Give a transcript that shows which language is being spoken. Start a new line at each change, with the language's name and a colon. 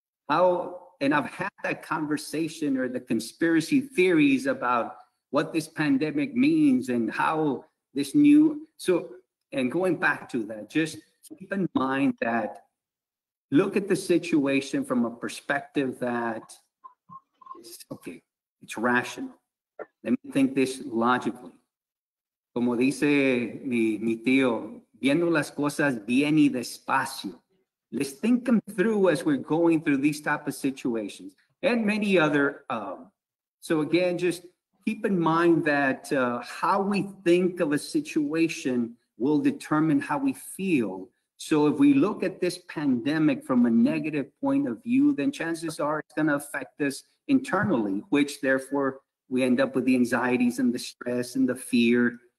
English: And I've had that conversation or the conspiracy theories about what this pandemic means and how this new, so, and going back to that, just keep in mind that, look at the situation from a perspective that, okay, it's rational. Let me think this logically.
Spanish: Como dice mi tío, viendo las cosas bien y despacio.
English: Let's think them through as we're going through these type of situations and many other. So again, just keep in mind that how we think of a situation will determine how we feel. So if we look at this pandemic from a negative point of view, then chances are it's going to affect us internally, which therefore we end up with the anxieties and the stress and the fear.